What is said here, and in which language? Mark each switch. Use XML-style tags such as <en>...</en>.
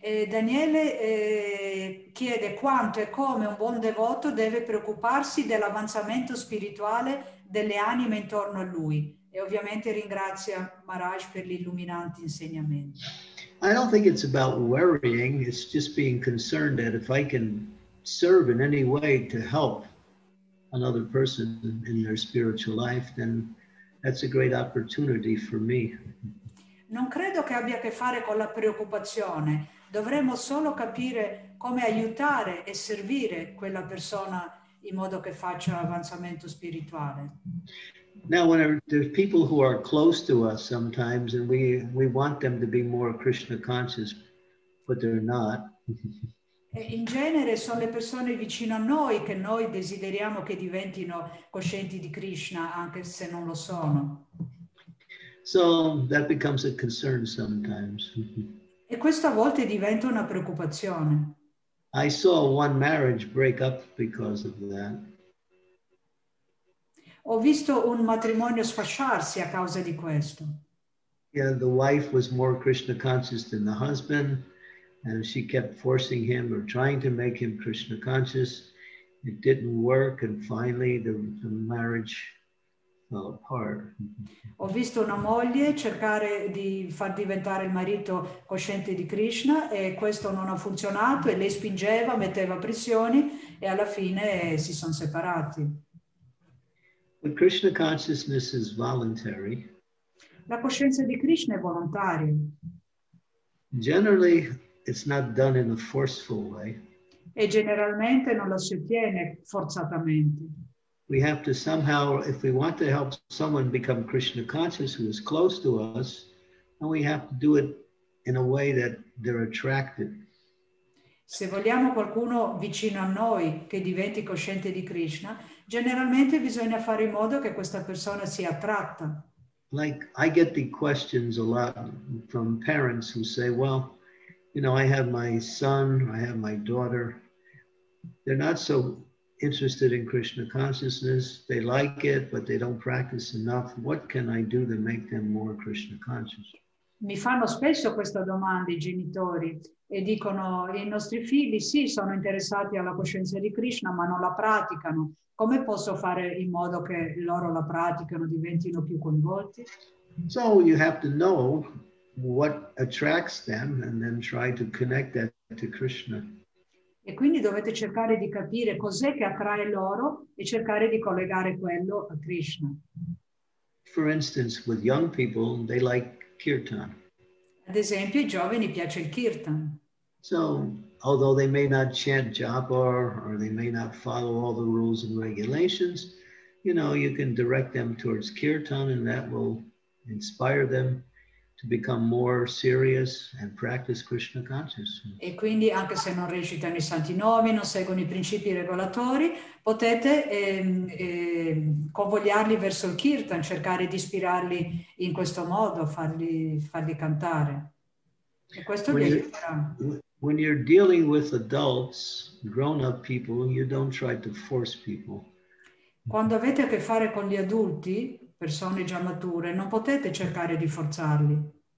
<it>Daniele chiede quanto e come un buon devoto deve preoccuparsi dell'avanzamento spirituale delle anime intorno a lui. E ovviamente ringrazia Maharaj per l'illuminante insegnamento.</it> <en>I don't think it's about worrying, it's just being concerned that if I can serve in any way to help another person in their spiritual life, then that's a great opportunity for me.</en> <it>Non credo che abbia a che fare con la preoccupazione. Dovremmo solo capire come aiutare e servire quella persona in modo che faccia avanzamento spirituale.</it> <en>Now, when there's people who are close to us sometimes and we want them to be more Krishna conscious, but they're not.</en> <it>In genere sono le persone vicino a noi che noi desideriamo che diventino coscienti di Krishna, anche se non lo sono.</it> <en>So that becomes a concern sometimes.</en> <it>E questo a volte diventa una preoccupazione.</it> <en>I saw one marriage break up because of that.</en> <it>Ho visto un matrimonio sfasciarsi a causa di questo.</it> <en>Yeah, the wife was more Krishna conscious than the husband, and she kept forcing him or trying to make him Krishna conscious. It didn't work, and finally the marriage fell apart.</en> <it>Ho visto una moglie cercare di far diventare il marito cosciente di Krishna, e questo non ha funzionato, e lei spingeva, metteva pressioni, e alla fine si sono separati.</it> <en>But Krishna consciousness is voluntary.</en> <it>La coscienza di Krishna è volontaria.</it> <en>Generally, it's not done in a forceful way.</en> <it>E generalmente non lo si ottiene forzatamente.</it> <en>We have to somehow, if we want to help someone become Krishna conscious who is close to us, then we have to do it in a way that they're attracted.</en> <it>Se vogliamo qualcuno vicino a noi che diventi cosciente di Krishna, generalmente bisogna fare in modo che questa persona sia attratta.</it> <en>Like, I get the questions a lot from parents who say, well, you know, I have my son, I have my daughter. They're not so interested in Krishna consciousness. They like it, but they don't practice enough. What can I do to make them more Krishna conscious?</en> <it>Mi fanno spesso questa domanda i genitori e dicono, i nostri figli sì, sono interessati alla coscienza di Krishna, ma non la praticano. Come posso fare in modo che loro la praticano, diventino più coinvolti?</it> <en>So you have to know what attracts them and then try to connect that to Krishna.</en> <it>E quindi dovete cercare di capire cos'è che attrae loro e cercare di collegare quello a Krishna.</it> <en>For instance, with young people, they like kirtan.</en> <it>Ad esempio, i giovani piace il kirtan.</it> <en>So, although they may not chant japa or they may not follow all the rules and regulations, you know, you can direct them towards kirtan and that will inspire them to become more serious and practice Krishna consciousness.</en> <it>E quindi anche se non recitano i santi nomi, non seguono i principi regolatori, potete convogliarli verso il kirtan, cercare di ispirarli in questo modo, farli cantare. E questo li aiuterà.</it> <en>When you're dealing with adults, grown-up people, you don't try to force people.</en> <it>Quando avete a che fare con gli adulti, persone già mature, non potete cercare di forzarli.</it>